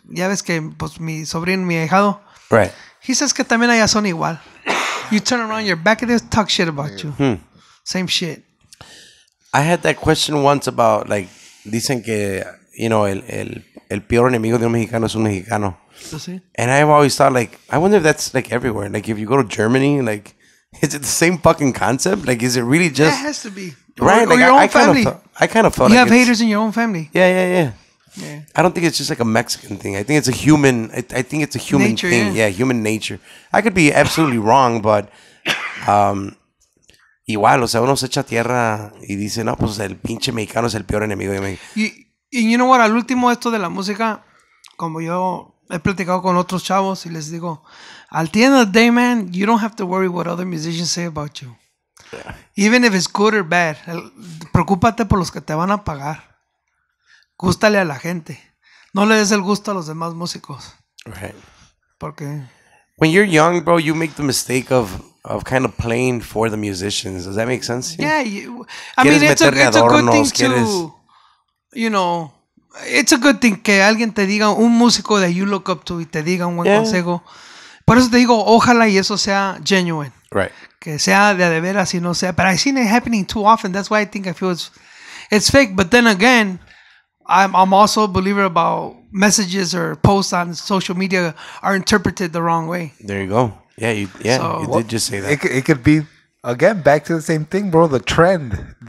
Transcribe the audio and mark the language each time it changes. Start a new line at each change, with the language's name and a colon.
Spanish: Ya ves que pues, mi sobrino, mi ahijado.
English: Right. He says
Spanish: que también allá son igual.
English: You turn around, you're back and they talk shit about you. Hmm. Same shit. I had that question once about, like,
Spanish: dicen que,
English: you know,
Spanish: el peor enemigo de un mexicano
English: es un mexicano. And I've always thought, like, I wonder if that's, like, everywhere. Like, if you go to Germany, like, is it the same fucking concept? Like, is it really just... Yeah, it has to be. Right? Or like, your own family. I kind of felt you like you have haters in your own family. Yeah. I don't think it's just, like, a Mexican thing. I think it's a human... I think it's a human nature, thing. Yeah. Yeah, human nature. I could be absolutely wrong, but...
Spanish: igual, o sea, uno se echa tierra y dice, no, pues el pinche mexicano es el peor enemigo de México.
English: Y you know what?
Spanish: Al último esto de la música, como yo... He platicado con otros chavos y les digo,
English: at the end of the day, man, you don't have to worry what other musicians say about you. Yeah. Even if it's good or bad,
Spanish: preocúpate por los que te van a pagar. Gústale a la gente. No le des el gusto a los demás músicos.
English: Right.
Spanish: Porque...
English: When you're young, bro, you make the mistake of kind of playing for the musicians. Does that make sense? Yeah. It's a good thing you know... It's a good thing
Spanish: que alguien te diga, un músico
English: that you look up to,
Spanish: y te diga un buen consejo. Por eso te digo, ojalá y eso sea genuine.
English: Right.
Spanish: Que sea de veras y no sea.
English: But I've seen it happening too often. That's why I think I feel it's fake. But then again, I'm also a believer about messages or posts on social media are interpreted the wrong way. There you go. Yeah, you did just say that. It could be, again, back to the same thing, bro. The trend.